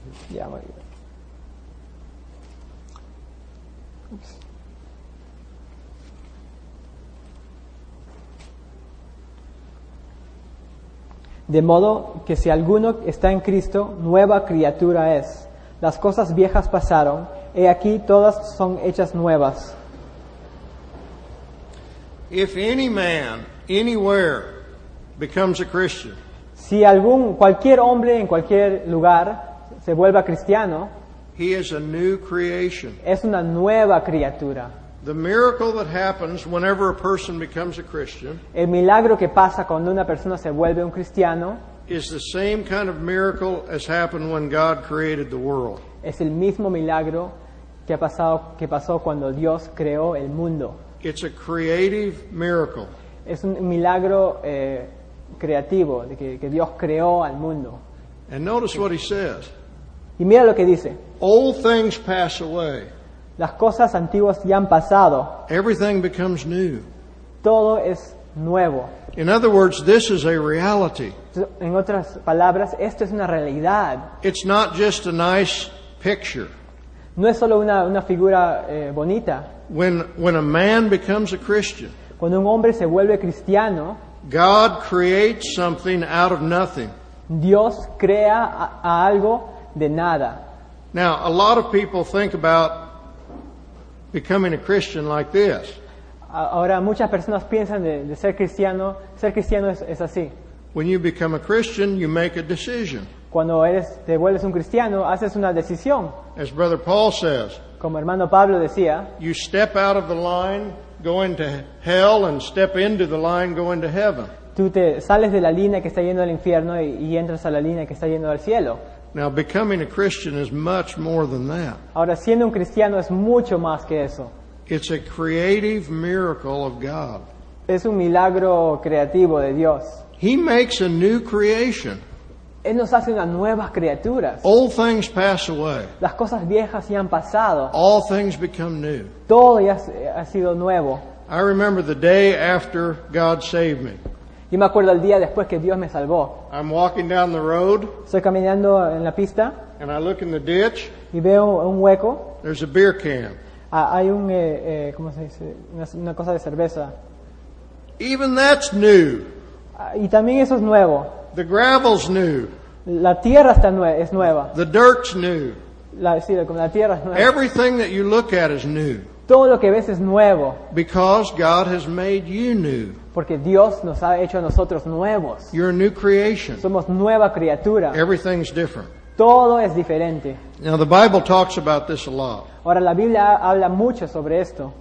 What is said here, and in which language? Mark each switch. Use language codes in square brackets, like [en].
[es] Yeah, de modo que si alguno está en Cristo, nueva criatura es. Las cosas viejas pasaron, y aquí todas son hechas nuevas. [en] If any man, anywhere, becomes a Christian, [es] si algún, cualquier hombre en cualquier lugar se vuelva cristiano, [en] he is a new creation. [es] Es una nueva criatura. [en] The miracle that happens whenever a person becomes a Christian, [es] el milagro que pasa cuando una persona se vuelve un cristiano, [en] is the same kind of miracle as happened when God created the world. [es] Es el mismo milagro que ha pasado, que pasó cuando Dios creó el mundo. [en] It's a creative miracle. [es] Es un milagro creativo de que Dios creó al mundo. [en] And notice what he says. [es] Y mira lo que dice. [en] Old things pass away. [es] Las cosas antiguas ya han pasado. [en] Everything becomes new. [es] Todo es nuevo. [en] In other words, this is a reality. [es] En otras palabras, esto es una realidad. [en] It's not just a nice picture. [es] No es solo una figura bonita. [en] When a man becomes a Christian, [es] cuando un hombre se vuelve cristiano, [en] God creates something out of nothing. [es] Dios crea a algo de nada. [en] Now, a lot of people think about becoming a Christian like this. [es] Ahora muchas personas piensan de ser cristiano. Ser cristiano es así. [en] When you become a Christian, you make a decision. [es] Cuando eres, te vuelves un cristiano, haces una decisión. [en] As Brother Paul says, [es] como hermano Pablo decía, [en] you step out of the line going to hell and step into the line going to heaven. [es] Tú te sales de la línea que está yendo al infierno y entras a la línea que está yendo al cielo. [en] Now, becoming a Christian is much more than that. [es] Ahora, siendo un cristiano es mucho más que eso. [en] It's a creative miracle of God. [es] Es un milagro creativo de Dios. [en] He makes a new creation. [es] Él nos hace unas nuevas criaturas. [en] Old things pass away. [es] Las cosas viejas ya han pasado. [en] All things become new. [es] Todo ya ha sido nuevo. [en] I remember the day after God saved me. [es] Yo me acuerdo el día después que Dios me salvó. [en] I'm walking down the road. [es] Estoy caminando en la pista. [en] And I look in the ditch. [es] Y veo un hueco. [en] There's a beer can. [es] Hay un, ¿cómo se dice? Una cosa de cerveza. [en] Even that's new. [es] Y también eso es nuevo. [en] The gravel's new. [es] La tierra está es nueva. [en] The dirt's new. [es] La tierra es nueva. [en] Everything that you look at is new. [es] Todo lo que ves es nuevo. [en] Because God has made you new. [es] Porque Dios nos ha hecho a nosotros nuevos. [en] You're a new creation. [es] Somos nueva criatura. [en] Everything's different. [es] Todo es diferente. [en] Now the Bible talks about this a lot. [es] Ahora la Biblia habla mucho sobre esto.